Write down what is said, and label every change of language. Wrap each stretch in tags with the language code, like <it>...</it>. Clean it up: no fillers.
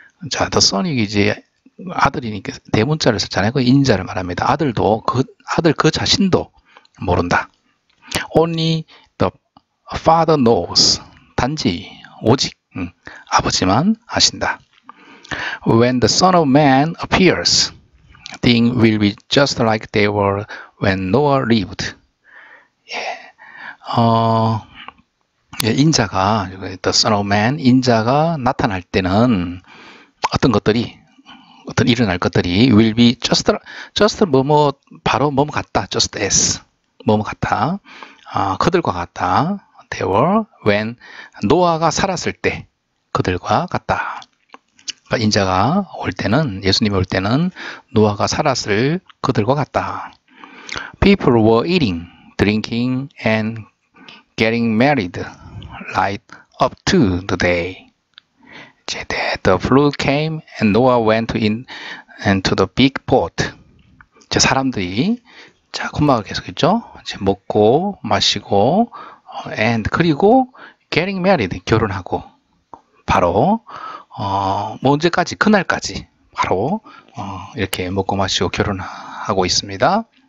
<ko>자, the son이 이제 아들이니까 대문자를 썼잖아요. 그 인자를 말합니다. 아들 그 자신도 모른다.</ko> <en>Only the father knows.</en> <ko>단지, 오직, 아버지만 아신다.</ko> <en>When the son of man appears, things will be just like they were when Noah lived.</en> <ko>인자가,</ko> <en>the son of man,</en> <ko>인자가 나타날 때는 어떤 것들이, 어떤 일어날 것들이</ko> <en>will be just</en> <ko>뭐뭐 바로 뭐뭐 같다,</ko> <en>just as</en> <ko>뭐뭐 같다, 그들과 같다,</ko> <en>they were when</en> <ko>노아가 살았을 때 그들과 같다. 인자가 올 때는, 예수님이 올 때는 노아가 살았을 그들과 같다.</ko> <en>People were eating, drinking, and getting married right up to the day. The flood came and Noah went into the big pot.</en> <ko>사람들이, 콤마가 계속했죠? 먹고, 마시고, and, 그리고,</ko> <en>getting married,</en> <ko>결혼하고. 바로, 언제까지? 그날까지. 바로, 이렇게 먹고, 마시고, 결혼하고 있습니다.</ko>